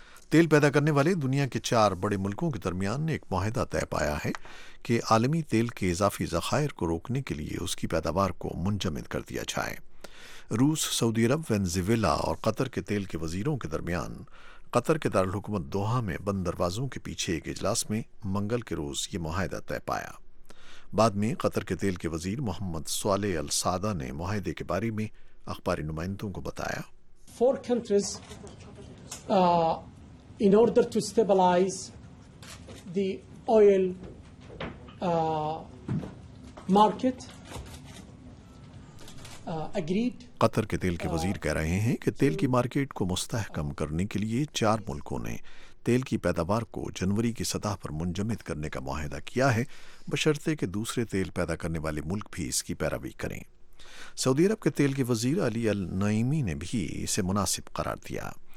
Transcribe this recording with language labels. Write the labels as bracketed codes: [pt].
[ur] تیل پیدا کرنے والے دنیا کے 4 بڑے ملکوں کے درمیان ایک معاہدہ طے پایا ہے کہ عالمی تیل کے اضافی ذخائر کو روکنے کے لیے اس کی پیداوار کو منجمد کر دیا جائے۔ روس، سعودی عرب، وینزویلا اور قطر کے تیل کے وزیروں کے درمیان قطر کے دارالحکومت دوحا میں بند دروازوں کے پیچھے ایک اجلاس میں منگل کے روز یہ معاہدہ طے پایا۔ بعد میں قطر کے تیل کے وزیر محمد صالح السعدہ نے معاہدے کے بارے میں اخباری نمائندوں کو بتایا۔ [en] 4 countries in order to stabilize the oil market agreed۔ [ur] قطر کے تیل کے وزیر کہہ رہے ہیں کہ تیل کی مارکیٹ کو مستحکم کرنے کے لیے 4 ملکوں نے تیل کی پیداوار کو جنوری کی سطح پر منجمد کرنے کا معاہدہ کیا ہے، بشرطے کہ دوسرے تیل پیدا کرنے والے ملک بھی اس کی پیروی کریں۔ سعودی عرب کے تیل کے وزیر علی النعیمی نے بھی اسے مناسب قرار دیا۔